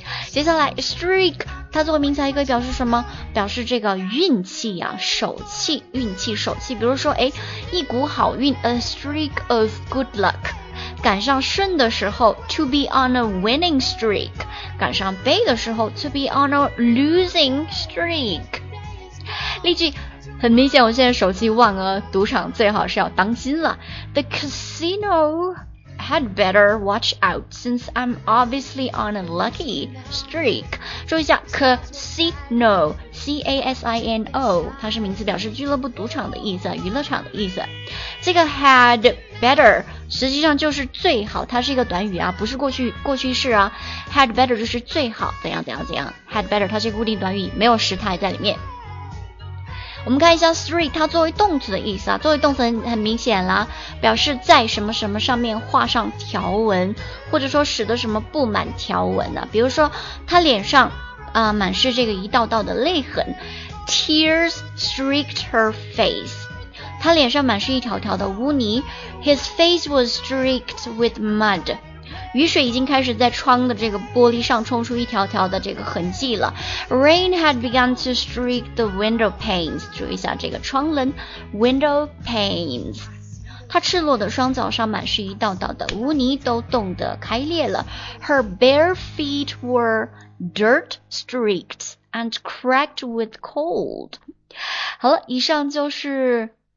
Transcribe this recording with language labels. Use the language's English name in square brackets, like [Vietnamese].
[Chinese] 接下来 streak 它作为名词还可以表示什么？表示这个运气啊，手气，运气手气，比如说哎，一股好运 [English] A streak of good luck。 [Chinese] 赶上顺的时候 [English] to be on a winning streak， [Chinese] 赶上背的时候 [English] to be on a losing streak。 [Chinese] 例句，很明显我现在手气旺啊，赌场最好是要当心了。 [English] The casino had better watch out since I'm obviously on a lucky streak。 [Chinese] 注意一下 casino C-A-S-I-N-O 它是名词，表示俱乐部赌场的意思，娱乐场的意思。这个 had better 实际上就是最好，它是一个短语啊，不是过去式啊。 had better 就是最好怎样怎样怎样， had better 它是固定短语，没有时态在里面。我们看一下 streak 它作为动词的意思啊，作为动词 很明显啦，表示在什么什么上面画上条纹，或者说使得什么布满条纹啊，比如说他脸上满是这个一道道的泪痕 [English] tears streaked her face。 [Chinese] 他脸上满是一条条的污泥 [English] His face was streaked with mud。 [Chinese] 雨水已经开始在窗的这个玻璃上冲出一条条的这个痕迹了。 [English] Rain had begun to streak the window panes。 [Chinese] 注意一下这个窗棱 window panes。他赤裸的双脚上满是一道道的污泥，都冻得开裂了。 [English] Her bare feet were dirt streaked and cracked with cold。 [Chinese] 好了，以上就是